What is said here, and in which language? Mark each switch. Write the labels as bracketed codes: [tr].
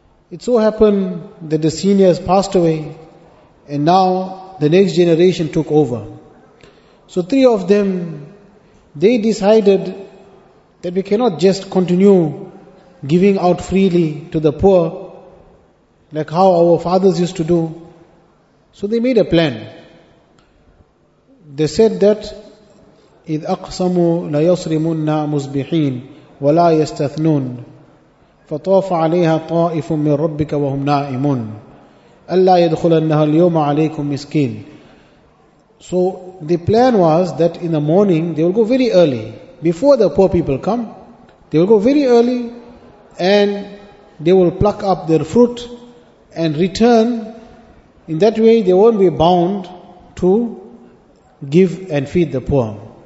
[en] It so happened that the seniors passed away, and now the next generation took over. So three of them, they decided that we cannot just continue giving out freely to the poor, like how our fathers used to do. So they made a plan. They said that, [ar] إِذْ أَقْسَمُوا لَيَصْرِمُنَّا مُزْبِحِينَ وَلَا يَسْتَثْنُونَ فَطَوَفَ عَلَيْهَا طَائِفٌ مِّن رَبِّكَ وَهُمْ نَائِمُونَ أَلَّا يَدْخُلَنَّهَا الْيَوْمَ عَلَيْكُمْ مِسْكِينَ. [en] So the plan was that in the morning they will go very early. Before the poor people come, they will go very early and they will pluck up their fruit and return. In that way they won't be bound to give and feed the poor.